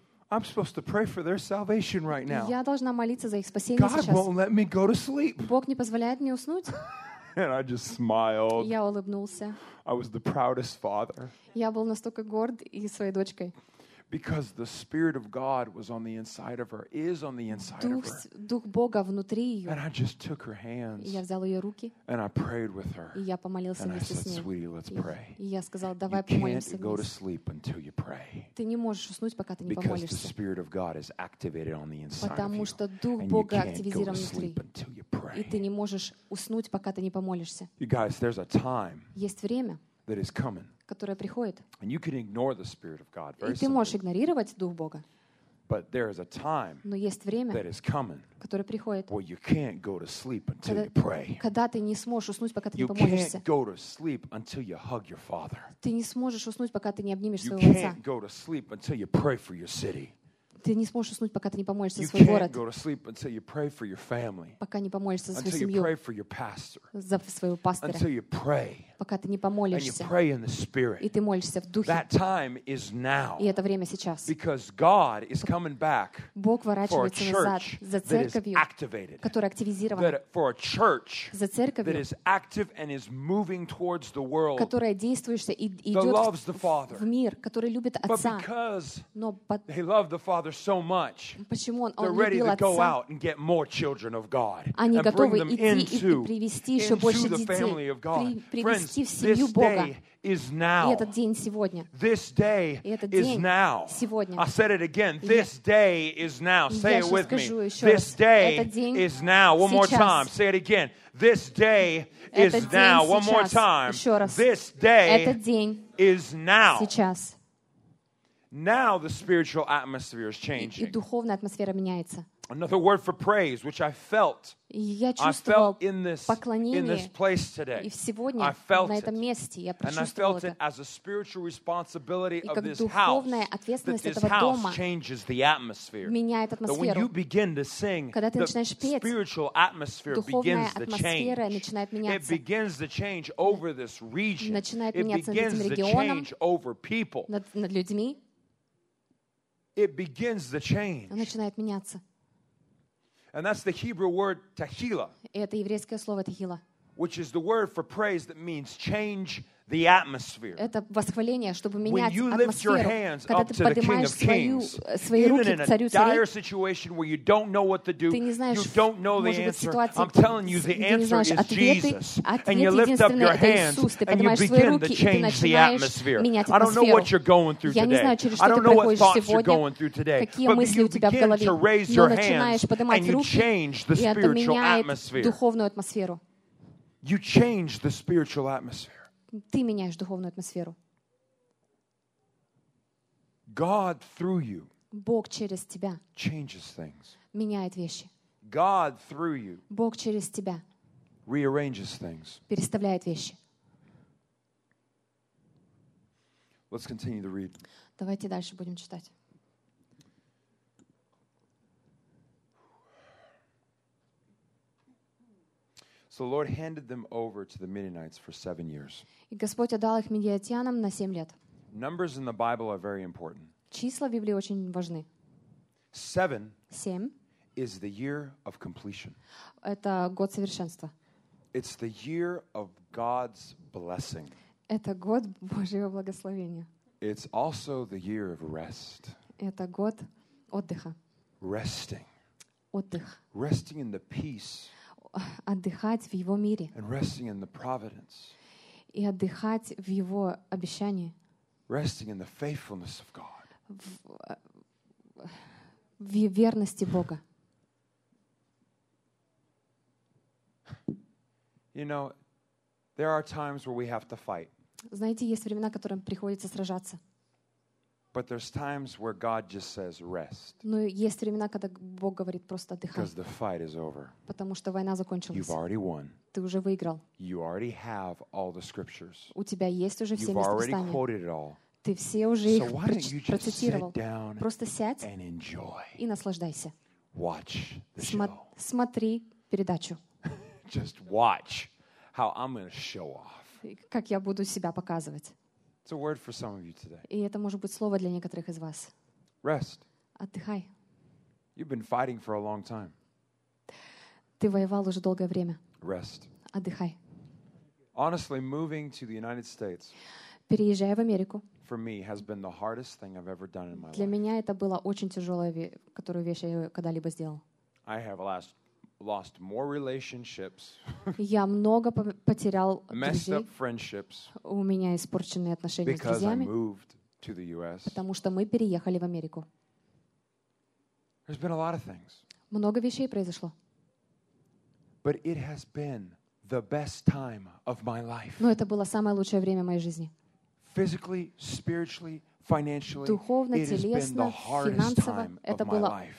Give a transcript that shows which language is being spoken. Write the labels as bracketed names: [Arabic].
[English] I'm supposed to pray for their salvation right now. [Russian] Я должна молиться за их спасение сейчас. [English] God won't let me go to sleep. [Russian] Бог не позволяет мне уснуть. [English] And I just smiled. [Russian] Я улыбнулся. [English] I was the proudest father. [Russian] Я был настолько горд и своей дочкой. [English] Because the spirit of God was on the inside of her, is on the inside of her. [Russian] Дух Бога внутри ее. [English] And I just took her hands. [Russian] Я взял ее руки. [English] And I prayed with her. [Russian] Я помолился вместе с ней. [English] And I said, "Sweetie, let's pray." [Russian] И я сказал: "Давай помолимся вместе." [English] You can't go to sleep until you pray. [Russian] Ты не можешь уснуть, пока ты не помолишься. [English] Because the spirit of God is activated on the inside of you. [Russian] Потому что Дух Бога активизирован внутри. [English] And you can't go to sleep until you pray. [Russian] И ты не можешь уснуть, пока ты не помолишься. [English] You guys, there's a time. [Russian] Есть время. [English] That is coming. [Russian] Которая приходит. [English] And you can ignore the spirit of God. [Russian] И ты можешь игнорировать Дух Бога. [English] But there is a time that is coming, [Russian] которое приходит, [English] where you can't go to sleep until you pray. [Russian] Когда ты не сможешь уснуть, пока ты [English] you [Russian] не помолишься. [English] You can't go to sleep until you hug your father. [Russian] Ты не сможешь уснуть, пока ты не обнимешь своего [English] you [Russian] отца. [English] You can't go to sleep until you pray for your city. [Russian] Ты не сможешь уснуть, пока ты не помолишься за свой город. [English] You can't go to sleep until you pray for your family. [Russian] Пока не помолишься за свою семью. [English] Until you pray for your pastor. [Russian] За своего пастора. [English] Until you pray. [Russian] Пока ты не помолишься. [English] And you pray in the spirit. [Russian] И ты молишься в духе. [English] That time is now. [Russian] И это время сейчас. [English] Because God is coming back. [Russian] Бог ворачивается назад за церковью, которая активизирована. [English] For a church [Russian] за церковью, [English] that is active and is moving towards the world. [Russian] Которая действующая и идет [English] that loves the Father. [Russian] В мир, который любит Отца. [English] But because they love the Father so much, [Russian] почему он [English] they're ready to go out and get more children of God [Russian] они [English] and bring them into, into the family of God. Friends, this day is now. This day is now. I said it again. This day is now. Say it with me. This day is now. One more time. Say it again. This day is now. One more time. This day is now. Now the spiritual atmosphere is changing. [Russian] И духовная атмосфера меняется. [English] Another word for praise, which I felt. [Russian] Я чувствовал поклонение. [English] In this place today. [Russian] И сегодня [English] I felt [Russian] на этом месте я прочувствовал это. [English] And I felt it as a spiritual responsibility of this house. [Russian] И как духовная ответственность этого дома. [English] That this house changes the atmosphere. [Russian] Меняет атмосферу. [English] That when you begin to sing, [Russian] когда ты начинаешь петь, [English] spiritual atmosphere begins to change. [Russian] Духовная атмосфера начинает меняться. [English] It begins to change over this region. [Russian] Начинает меняться над этим регионом. [English] It begins to change over people. [Russian] Над людьми. [English] It begins the change. [Russian] Она начинает меняться. [English] And that's the Hebrew word tehila. [Russian] Это еврейское слово tehila. [English] Which is the word for praise that means change the atmosphere. [Russian] Это восхваление, чтобы менять атмосферу. [English] When you lift your hands up to the King of Kings, even in a dire situation where you don't know what to do, you don't know the answer, I'm telling you the answer is Jesus. And you lift up your hands and you begin to change the atmosphere. I don't know what you're going through today. I don't know what thoughts you're going through today. But you begin to raise your hands and you change the spiritual atmosphere. You change the spiritual atmosphere. [Russian] Ты меняешь духовную атмосферу. [English] God through you. [Russian] Бог через тебя. [English] Changes things. [Russian] Меняет вещи. [English] God through you. [Russian] Бог через тебя. [English] Rearranges things. [Russian] Переставляет вещи. [English] Let's continue to read. [Russian] Давайте дальше будем читать. [English] So the Lord handed them over to the Midianites for 7 years. [Russian] И Господь отдал их мидиянам на 7 лет. [English] Numbers in the Bible are very important. [Russian] Числа в Библии очень важны. [English] 7 is the year of completion. [Russian] Это год совершенства. [English] It's the year of God's blessing. [Russian] Это год Божьего благословения. [English] It's also the year of rest. [Russian] Это год отдыха. [English] Resting. [Russian] Отдых. [English] Resting in the peace. [Russian] Отдыхать в Его мире. [English] And resting in the providence. [Russian] И отдыхать в Его обещании. [English] Resting in the faithfulness of God. [Russian] В верности Бога. [English] You know, there are times where we have to fight. [Russian] Знаете, есть времена, в которых приходится сражаться. [English] But there's times where God just says rest. [Russian] Но есть времена, когда Бог говорит просто отдыхай. [English] Because the fight is over. [Russian] Потому что война закончилась. [English] You've already won. [Russian] Ты уже выиграл. [English] You already have all the scriptures. [Russian] У тебя есть уже все места Писания. [English] You've already quoted it all. [Russian] Ты все уже их процитировал. Просто сядь [English] and enjoy. [Russian] И наслаждайся. [English] Watch the show. [Russian] Смотри передачу. [English] Just watch how I'm going to show off. [Russian] Как я буду себя показывать. [English] It's a word for some of you today. [Russian] И это может быть слово для некоторых из вас. [English] Rest. [Russian] Отдыхай. [English] You've been fighting for a long time. [Russian] Ты воевал уже долгое время. [English] Rest. [Russian] Отдыхай. [English] Honestly, moving to the United States. [Russian] Переезжая в Америку. [English] For me, has been the hardest thing I've ever done in my life. [Russian] Для меня это было очень тяжелое, которую вещь я когда-либо сделал. [English] I have lost more relationships. [Russian] Я много потерял друзей. [English] Messed up friendships. [Russian] У меня испорченные отношения с друзьями. [English] I moved to the US. [Russian] Потому что мы переехали в Америку. [English] There's been a lot of things. [Russian] Много вещей произошло. [English] But it has been the best time of my life. [Russian] Но это было самое лучшее время моей жизни. [English] Physically, spiritually, financially, [Russian] духовно, [English] it has been the hardest time of my life.